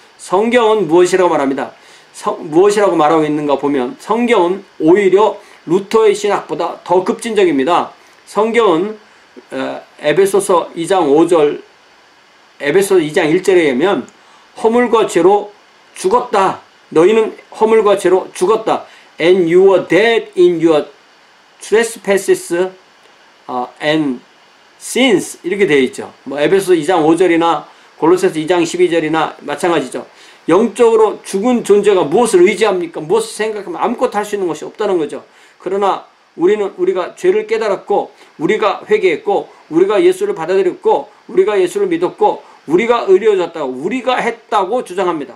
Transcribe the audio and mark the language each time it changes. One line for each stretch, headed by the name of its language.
Korean: 성경은 무엇이라고 말합니다. 무엇이라고 말하고 있는가 보면 성경은 오히려 루터의 신학보다 더 급진적입니다. 성경은 에베소서 2장 5절 에베소서 2장 1절에 의하면 허물과 죄로 죽었다. 너희는 허물과 죄로 죽었다.
English: And you were dead in your trespasses and sins.
Korean: 이렇게 되어 있죠. 뭐 에베소서 2장 5절이나 골로새서 2장 12절이나 마찬가지죠. 영적으로 죽은 존재가 무엇을 의지합니까? 무엇을 생각하면 아무것도 할 수 있는 것이 없다는 거죠. 그러나 우리가 죄를 깨달았고 우리가 회개했고 우리가 예수를 받아들였고 우리가 예수를 믿었고 우리가 의뢰해졌다고 우리가 했다고 주장합니다.